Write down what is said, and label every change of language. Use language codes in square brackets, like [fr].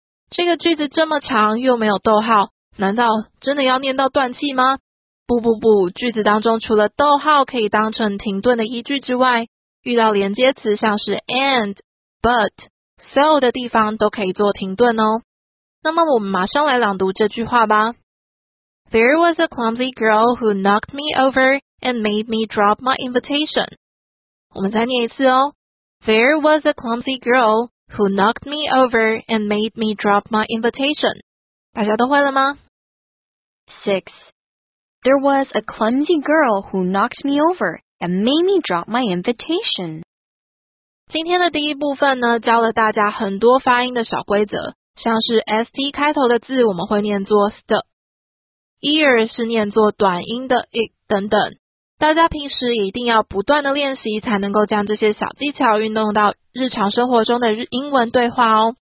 [zh] 这个句子这么长又没有逗号，难道真的要念到断气吗？不不不，句子当中除了逗号可以当成停顿的依据之外，遇到连接词像是 and、but、so 的地方都可以做停顿哦。那么我们马上来朗读这句话吧。 [en] There was a clumsy girl who knocked me over and made me drop my invitation. [zh] 我们再念一次哦。 [en] There was a clumsy girl who knocked me over and made me drop my invitation. [zh] 大家都会了吗？ 6. [en] There was a clumsy girl who knocked me over and made me drop my invitation. [zh] 今天的第一部分呢，教了大家很多发音的小规则，像是 ST 开头的字我们会念作 st， ear 是念作短音的 i 等等。大家平时一定要不断的练习，才能够将这些小技巧运用到日常生活中的英文对话哦。